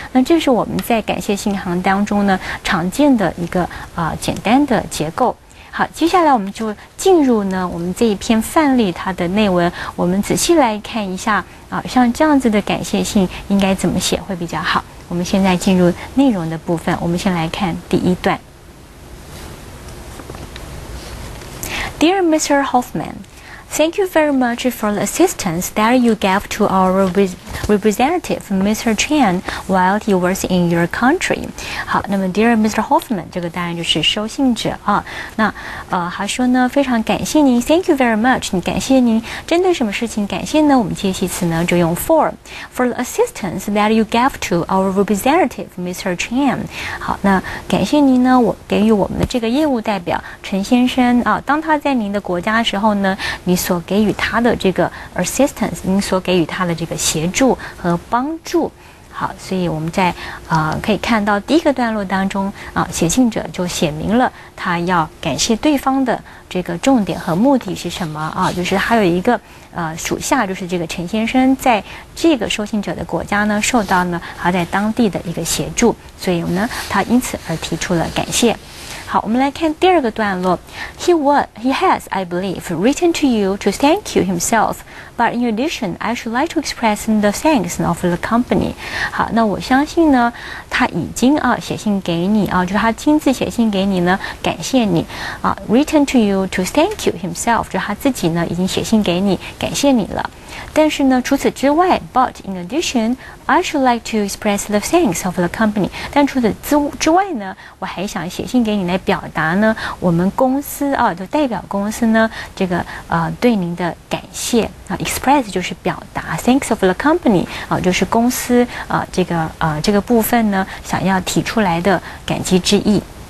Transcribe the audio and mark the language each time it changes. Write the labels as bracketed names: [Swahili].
[Chinese] 那这是我们在感谢信函当中呢常见的一个简单的结构。好，接下来我们就进入呢我们这一篇范例它的内文，我们仔细来看一下像这样子的感谢信应该怎么写会比较好。我们现在进入内容的部分，我们先来看第一段。 [English] Dear Mr. Hoffman, Thank you very much for the assistance that you gave to our representative Mr. Chen while he was in your country. [Chinese] 好，那么 [English] Dear Mr. [Chinese] Hoffman, 这个当然就是收信者啊。那他说呢，非常感谢您 ， [English] Thank you very much， [Chinese] 你感谢您。针对什么事情感谢呢？我们介系词呢就用 [English] for the assistance that you gave to our representative Mr. Chen。 [Chinese] 好，那感谢您呢，我给予我们的这个业务代表陈先生啊，当他在您的国家的时候呢，你所给予他的这个 assistance， 您所给予他的这个协助和帮助。好，所以我们在可以看到第一个段落当中啊，写信者就写明了他要感谢对方的这个重点和目的是什么啊，就是还有一个属下，就是这个陈先生在这个收信者的国家呢受到呢他在当地的一个协助，所以呢他因此而提出了感谢。好，我们来看第二个段落。 [English] He has, I believe, written to you to thank you himself. But in addition, I should like to express the thanks of the company. [Chinese] 好，那我相信呢，他已经啊写信给你啊，就是他亲自写信给你呢，感谢你啊。 [English] Written to you to thank you himself， [Chinese] 就是他自己呢已经写信给你，感谢你了。但是呢，除此之外 [English] ，but in addition, I should like to express the thanks of the company. [Chinese] 但除此之外呢，我还想写信给你来表达呢，我们公司啊，就代表公司呢，这个对您的感谢啊。 Express 就是表达 ， [English] thanks of the company [Chinese] 啊，就是公司啊，这个部分呢，想要提出来的感激之意。